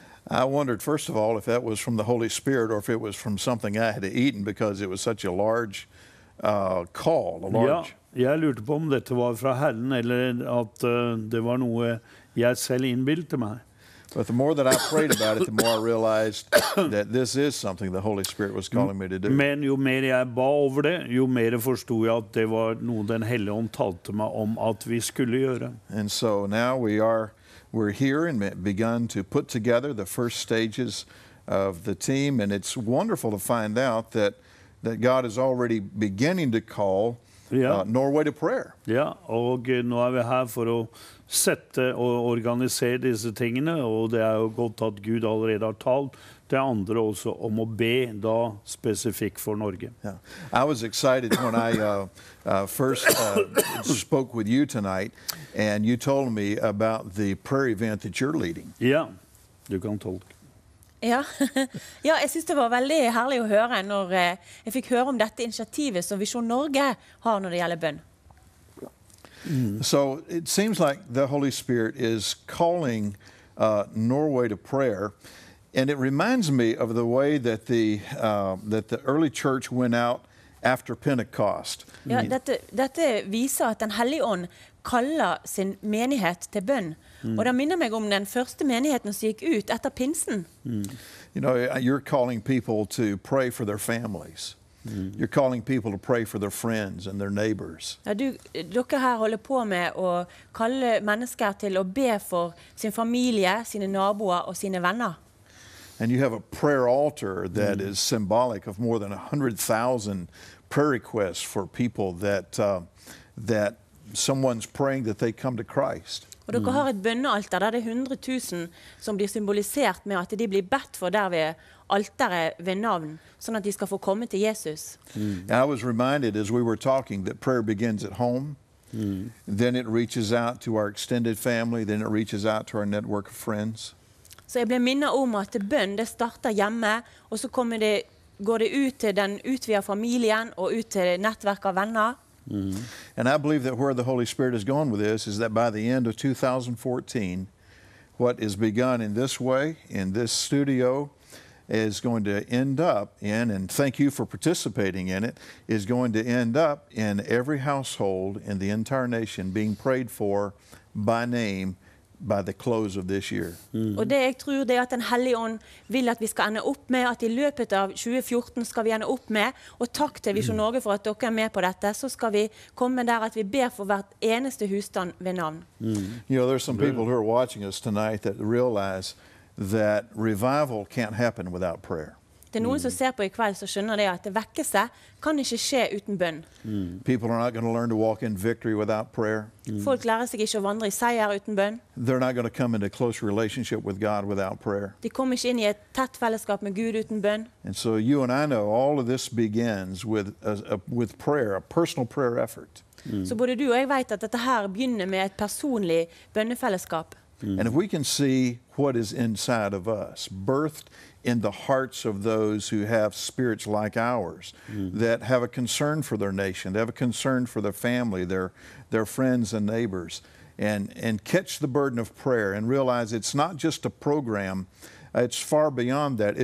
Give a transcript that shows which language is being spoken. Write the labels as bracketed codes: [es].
[en] I wondered first of all if that was from the Holy Spirit or if it was from something I had eaten because it was such a large call. [no] Ja, jeg lurte på om dette var fra Herren eller at det var noe jeg selv innbilte meg. [en] But the more that I prayed about it, the more I realized that this is something the Holy Spirit was calling me to do. [no] Men jo mer jeg ba over det, jo mer forstod jeg at det var noe den hellige ånd talte meg om at vi skulle gjøre. [en] And so now we're here and begun to put together the first stages of the team. And it's wonderful to find out that God is already beginning to call Norway to prayer. [no] Ja, og nå vi her for å sette og organisere disse tingene, og det jo godt at Gud allerede har talt det andre også om å be da spesifikt for Norge. [en] Yeah. I was excited when I first spoke with you tonight, and you told me about the prayer event that you're leading. [no] Ja, du kan tolke. Ja. Ja, jeg synes det var veldig herlig å høre når jeg fikk høre om dette initiativet som Visjon Norge har når det gjelder bønn. [en] So it seems like the Holy Spirit is calling Norway to prayer, and it reminds me of the way that the early church went out after Pentecost. [no] Ja, dette viser at den hellige ånd kaller sin menighet til bønn. Mm. Og det minner meg om den første menigheten som gikk ut etter pinsen. Mm. [en] You know, you're calling people to pray for their families. Mm. You're calling people to pray for their friends and their neighbors. [no] Ja, dere her holder på med å kalle mennesker til å be for sin familie, sine naboer og sine venner. [en] And you have a prayer altar that is symbolic of more than 100,000 prayer requests for people that that someone's praying that they come to Christ. [no] Og dere har et bønnealter der det 100,000 som blir symbolisert med at de blir bedt for der ved alteret ved navn, sånn at de skal få komme til Jesus. [en] Mm. I was reminded as we were talking that prayer begins at home. Mm. Then it reaches out to our extended family, then it reaches out to our network of friends. [no] Så jeg ble minnet om at bønn, det starter hjemme, og så kommer det, går det ut til den utvidede familien og ut til nettverk av venner. Mm-hmm. [en] And I believe that where the Holy Spirit has gone with this is that by the end of 2014, what is begun in this way, in this studio, is going to end up in, and thank you for participating in it, is going to end up in every household in the entire nation being prayed for by name by the close of this year. [no] Mm-hmm. Og det jeg tror det at den hellige ånd vil at vi skal ende opp med, at i løpet av 2014 skal vi ende opp med, og takk til Visjon Norge for at dere med på dette, så skal vi komme der at vi ber for hvert eneste husstand ved navn. [en] Mm-hmm. You know, there's some people who are watching us tonight that realize that revival can't happen without prayer. [no] Det er noen som ser på i kveld som skjønner det at det vekker seg, kan ikke skje uten bønn. Mm. [en] People are not going to learn to walk in victory without prayer. Mm. [no] Folk lærer seg ikke å vandre i seier uten bønn. [en] They're not going to come into close relationship with God without prayer. [no] De kommer ikke inn i et tett fellesskap med Gud uten bønn. [en] And so you and I know all of this begins with prayer, a personal prayer effort. Mm. [no] Så både du og jeg vet at dette her begynner med et personlig bønnefellesskap. Mm. [en] And if we can see what is inside of us, birthed in the hearts of those who have spirits like ours, that have a concern for their nation, they have a concern for their family, their friends and neighbors, and catch the burden of prayer and realize it's not just a program, it's far beyond that.